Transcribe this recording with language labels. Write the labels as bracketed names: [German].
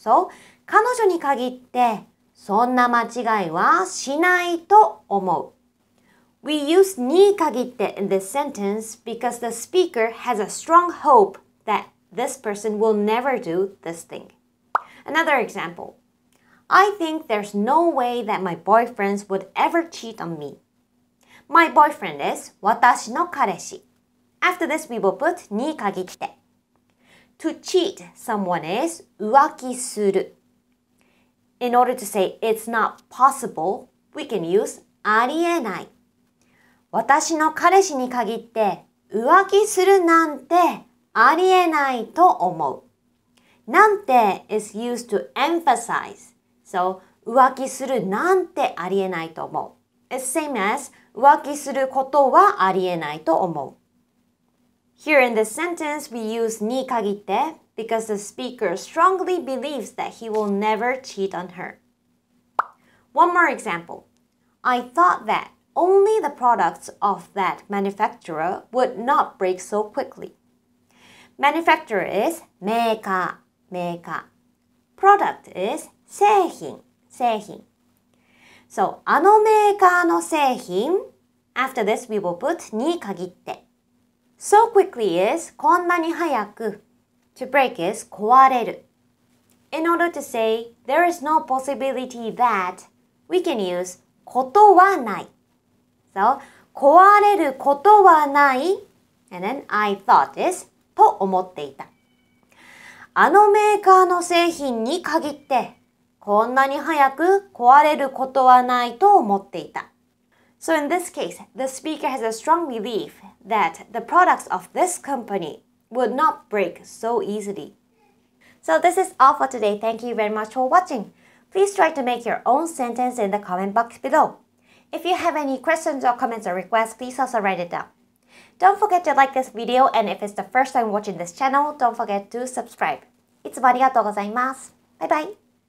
[Japanese] So, 彼女に限ってそんな間違いはしないと思う。 [English] We use に限ってin this sentence because the speaker has a strong hope that this person will never do this thing. Another example. I think there's no way that my boyfriend would ever cheat on me. My boyfriend is 私の彼氏.After this, we will put に限って. To cheat someone is 浮気する。In order to say it's not possible, we can use ありえない。 [Japanese] 私の彼氏に限って浮気するなんてありえないと思う。 [English] なんて is used to emphasize. [Japanese] So, 浮気するなんてありえないと思う。 [English] It's same as [Japanese] 浮気することはありえないと思う。 [English] Here in this sentence, we use に限ってBecause the speaker strongly believes that he will never cheat on her. One more example. I thought that only the products of that manufacturer would not break so quickly. Manufacturer is メーカー、メーカー。 Product is [Japanese] 製品、製品。So, あのメーカーの製品。 [English] After this, we will put に限って。So quickly is こんなに早く。 To break is 壊れる. In order to say there is no possibility that, we can use ことはない. [Japanese] So, 壊れることはない. [English] And then I thought is と思っていた. [Japanese] あのメーカーの製品に限ってこんなに早く壊れることはないと思っていた. [English] So in this case, the speaker has a strong belief that the products of this company,would not break so easily. So this is all for today. Thank you very much for watching. Please try to make your own sentence in the comment box below. If you have any questions or comments or requests, please also write it down. Don't forget to like this video, and if it's the first time watching this channel, don't forget to subscribe. [Japanese] いつもありがとうございます。バイバイ。